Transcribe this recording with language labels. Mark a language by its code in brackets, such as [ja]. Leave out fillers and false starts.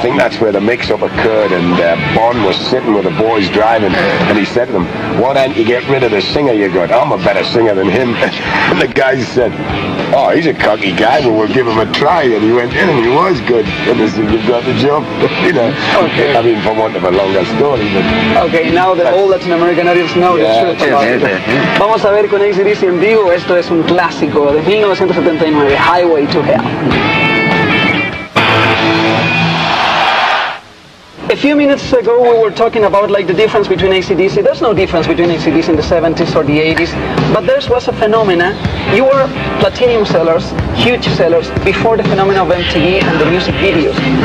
[en] I think that's where the mix-up occurred, and Bon was sitting with the boys driving, and he said to them, "Why don't you get rid of the singer you got? I'm a better singer than him." And the guy said, "Oh, he's a cocky guy, but we'll give him a try." And he went in, and he was good. And he said, "You've got the job." You know, okay. I mean, for want of a longer story. But, okay, now that all Latin American audience know the truth about it. [es] Vamos a ver con AC/DC en vivo, esto es un clásico de 1979, Highway to Hell. [en] A few minutes ago we were talking about like the difference between AC/DC. There's no difference between AC/DC in the 70s or the 80s, but there was a phenomenon. You were platinum sellers, huge sellers, before the phenomenon of MTV and the music videos.